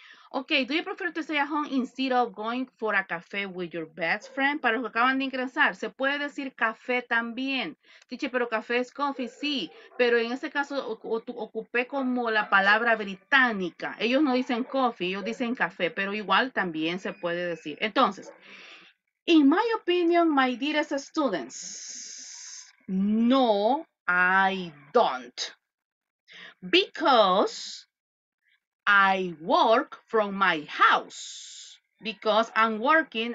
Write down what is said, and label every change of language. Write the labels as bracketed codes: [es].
[en] Okay, do you prefer to stay at home instead of going for a café with your best friend? [es] Para los que acaban de ingresar, se puede decir café también. Teacher, pero café es coffee, sí. Pero en este caso, ocupé como la palabra británica. Ellos no dicen coffee, ellos dicen café, pero igual también se puede decir. [en] Entonces, in my opinion, my dearest students, no, I don't. Because I work from my house because I'm working.